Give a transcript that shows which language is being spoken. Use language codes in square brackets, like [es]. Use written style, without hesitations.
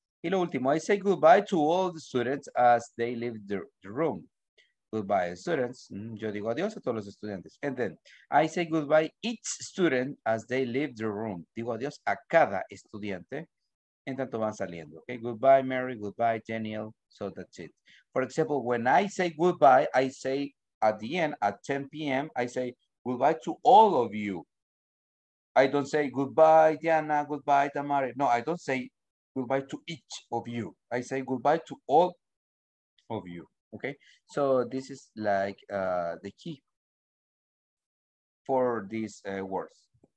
[es] Y lo último, [en] I say goodbye to all the students as they leave the room. Goodbye, students. [es] Yo digo adiós a todos los estudiantes. [en] And then, I say goodbye each student as they leave the room. [es] Digo adiós a cada estudiante en tanto van saliendo. [en] Okay, goodbye, Mary. Goodbye, Daniel. So that's it. For example, when I say goodbye, I say at the end, at 10 p.m., I say goodbye to all of you. I don't say goodbye, Diana. Goodbye, Tamara. No, I don't say goodbye to each of you. I say goodbye to all of you. Okay, so this is like the key for these words.